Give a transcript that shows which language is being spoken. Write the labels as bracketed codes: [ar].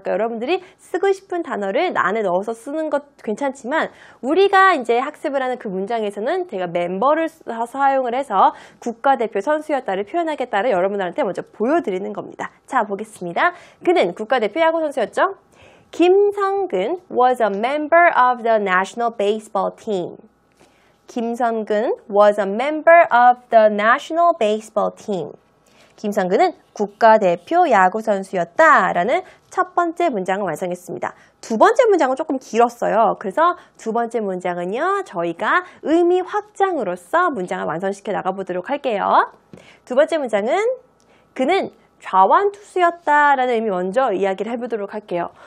[ko] 그러니까 여러분들이 쓰고 싶은 단어를 안에 넣어서 쓰는 것 괜찮지만 우리가 이제 학습을 하는 그 문장에서는 제가 멤버를 사용을 해서 국가대표 선수였다를 표현하겠다를 여러분들한테 먼저 보여드리는 겁니다. 자, 보겠습니다. 그는 국가대표 야구선수였죠? [en] 김성근 was a member of the national baseball team. 김성근 was a member of the national baseball team. [ko] 김성근은 국가대표 야구선수였다라는 첫 번째 문장을 완성했습니다. 두 번째 문장은 조금 길었어요. 그래서 두 번째 문장은요, 저희가 의미 확장으로서 문장을 완성시켜 나가보도록 할게요. 두 번째 문장은 그는 좌완투수였다라는 의미 먼저 이야기를 해보도록 할게요.